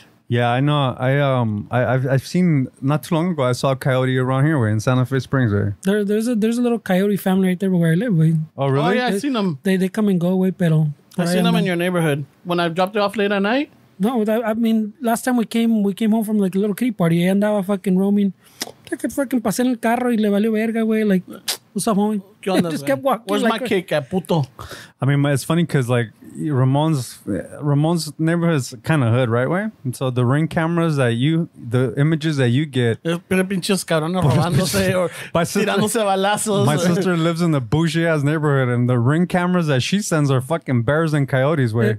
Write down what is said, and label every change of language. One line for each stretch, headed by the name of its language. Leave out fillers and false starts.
English: Yeah, I know. I've seen, not too long ago, I saw a coyote around here, way, in Santa Fe Springs, way. There's a little coyote family right there where I live, way. Oh, really? Oh, yeah, I've seen them. They come and go, way, pero. I've seen them in your neighborhood. When I dropped it off late at night? No, I mean, last time we came home from, like, a little kitty party. I andaba fucking roaming. Like, fucking
Spanish: pasé en el carro y le valió verga, güey.
English: Like, what's up, homie?
Spanish: ¿Qué onda,
English: just kept walking. Where's, like, my cake at, puto? I mean, it's funny because, like, Ramon's neighborhood is kind of hood, right, way? And so the ring cameras that you, the images that you get.
Spanish: Pero pinches cabrones robándose or tirándose balazos.
English: My sister lives in the bougie-ass neighborhood, and the ring cameras that she sends are fucking bears and coyotes, way.